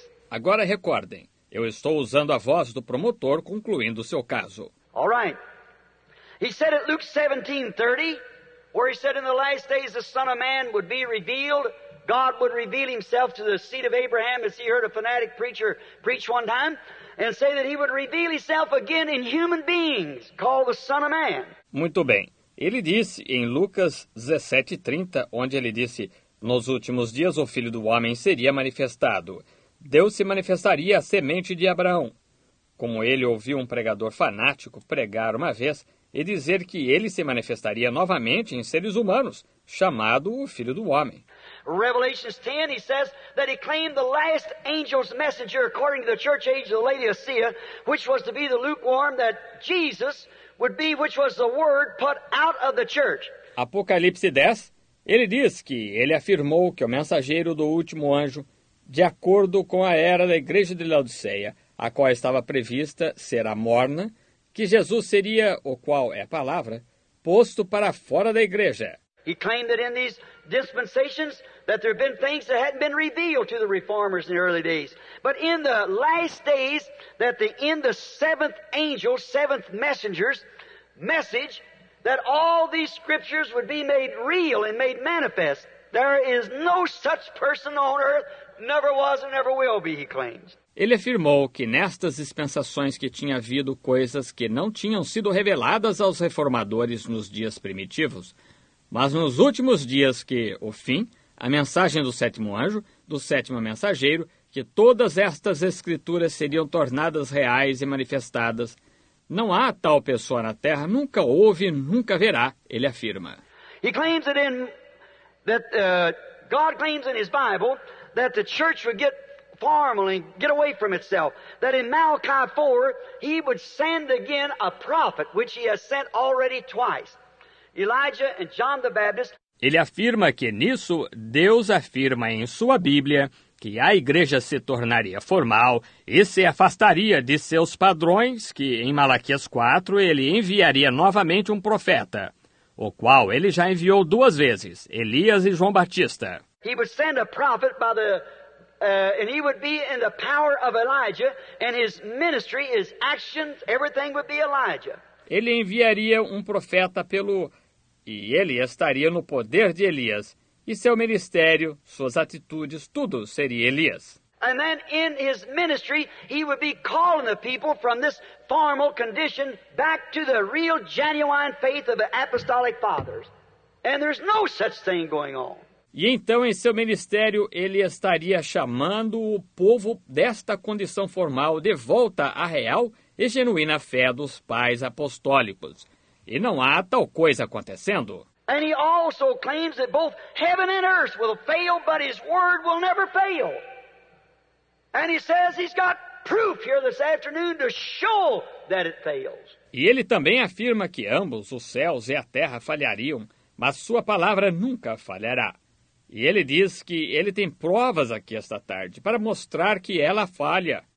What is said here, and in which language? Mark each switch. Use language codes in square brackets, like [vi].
[pt] Agora recordem, eu estou usando a voz do promotor concluindo o seu caso. [en] All right. He said at Luke 17:30, where he said in the last days the Son of Man would be revealed, God would reveal himself to the seed of Abraham, as he heard a fanatic preacher preach one time, and say that he would reveal himself again in human beings, called the Son of Man. [pt] Muito bem. Ele disse em Lucas 17:30, onde ele disse, nos últimos dias o Filho do Homem seria manifestado. Deus se manifestaria à semente de Abraão. Como ele ouviu um pregador fanático pregar uma vez, e dizer que ele se manifestaria novamente em seres humanos, chamado o Filho do Homem. [en] Revelation 10, he says that he claimed the last angel's messenger according to the church age of the Laodicea, which was to be the lukewarm, that Jesus would be, which was the word put out of the church. [pt] Apocalipse 10, ele diz que ele afirmou que o mensageiro do último anjo, de acordo com a era da igreja de Laodicea, a qual estava prevista ser a morna, que Jesus seria, o qual é a palavra, posto para fora da igreja. [en] He claimed that in these dispensations that there have been things that hadn't been revealed to the reformers in the early days. But in the last days, that in the seventh angel, seventh messenger's message, that all these scriptures would be made real and made manifest. There is no such person on earth, never was and never will be, he claims. [pt] Ele afirmou que nestas dispensações que tinha havido coisas que não tinham sido reveladas aos reformadores nos dias primitivos, mas nos últimos dias que, o fim, a mensagem do sétimo anjo, do sétimo mensageiro, que todas estas escrituras seriam tornadas reais e manifestadas. Não há tal pessoa na Terra, nunca houve, nunca haverá, ele afirma. [en] He claims that God claims in his Bible that the church would get formally get away from itself, that in Malachi 4 he would send again a prophet, which he has sent already twice, Elijah and John the Baptist. [pt] Ele afirma que nisso Deus afirma em sua Bíblia que a igreja se tornaria formal e se afastaria de seus padrões, que em Malaquias 4 ele enviaria novamente um profeta, o qual ele já enviou duas vezes, Elias e João Batista. [en] He would send a prophet by the and he would be in the power of Elijah, and his ministry, his actions, everything would be Elijah. [pt] Ele enviaria um profeta pelo... E ele estaria no poder de Elias. E seu ministério, suas atitudes, tudo seria Elias. [en] And then in his ministry, he would be calling the people from this formal condition back to the real genuine faith of the apostolic fathers. And there's no such thing going on. [pt] E então, em seu ministério, ele estaria chamando o povo desta condição formal de volta à real e genuína fé dos pais apostólicos. E não há tal coisa acontecendo. [en] And he also claims that both heaven and earth will fail, but his word will never fail. And he says he's got proof here this afternoon to show that it fails. [pt] E ele também afirma que ambos, os céus e a terra, falhariam, mas sua palavra nunca falhará. E ele diz que ele tem provas aqui esta tarde para mostrar que ela falha.